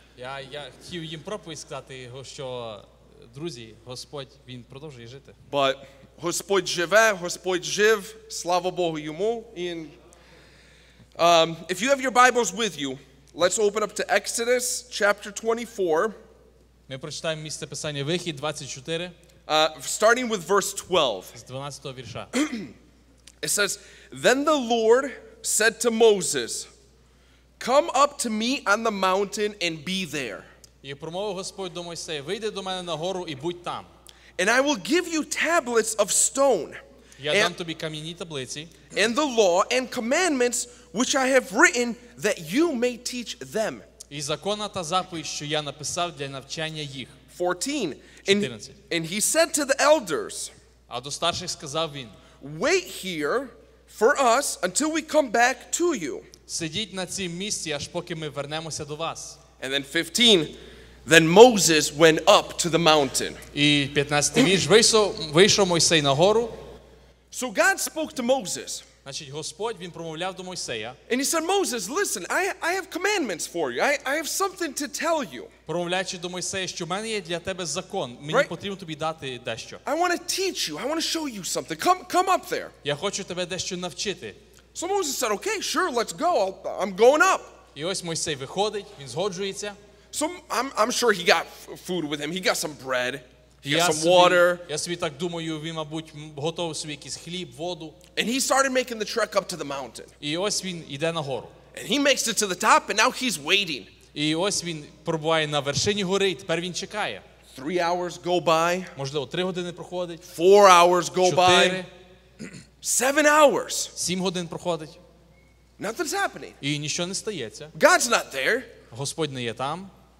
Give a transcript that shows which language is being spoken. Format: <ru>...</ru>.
<uk>Я хотів їм проповідь сказати, що друзі, Господь він продовжує жити. But Господь живе, Господь жив, слава Богу йому.</uk> <en>And if you have your Bibles with you, let's open up to Exodus chapter 24.</en> <uk>Ми прочитаємо місце писання Вихід 24.</uk> <en>Starting with verse 12.</en> <uk>З 12-го вірша.</uk> <en>It says, then the Lord said to Moses, come up to me on the mountain and be there.</en> <uk>І промовив Господь до Мойсея, вийди до мене на гору і будь там.</uk> <en>And I will give you tablets of stone.</en> <uk>Я дам тобі кам'яні таблиці.</uk> <en>And the law and commandments which I have written that you may teach them.</en> <uk>І закона та заповідь, що я написав для навчання їх.</uk> <en>14. And he said to the elders,</en> <uk>а до старших сказав він,</uk> <en>wait here for us until we come back to you.</en> <uk>Сидіть на цьому місці, аж поки ми вернемося до вас.</uk> <en>And then 15, then Moses went up to the mountain.</en> <uk>І 15-й вірш, вийшов Мойсей на гору.</uk> <en>So God spoke to Moses.</en> <uk>Значить, Господь він промовляв до Мойсея.</uk> <en>And he said, Moses, listen, I have commandments for you. I have something to tell you.</en> <uk>Промовляючи до Мойсея, що в мене є для тебе закон, мені потрібно тобі дати дещо.</uk> <en>I want to teach you. I want to show you something. Come up there.</en> <uk>Я хочу тебе дещо навчити.</uk> <en>So Moses said, okay, sure, let's go. I'm going up.</en> <uk>І ось Мойсей виходить, він згоджується.</uk> <en>So I'm sure he got food with him. He got some bread. He got some water.</en> <uk>Я собі так думаю, він, мабуть, готував собі якийсь хліб, воду.</uk> <en>And he started making the trek up to the mountain.</en> <uk>І ось він йде на гору.</uk> <en>And he makes it to the top and now he's waiting.</en> <uk>І ось він пробуває на вершині гори, і тепер він чекає.</uk> <en>3 hours go by.</en> <uk>Можливо, 3 години проходить.</uk> <en>4 hours go by.</en> <uk>4.</uk> <en>7 hours.</en> <uk>7 годин проходить.</uk> <en>Nothing's happening.</en> <uk>І нічого не стається.</uk> <en>God's not there.</en> <uk>Господь не є там.</uk>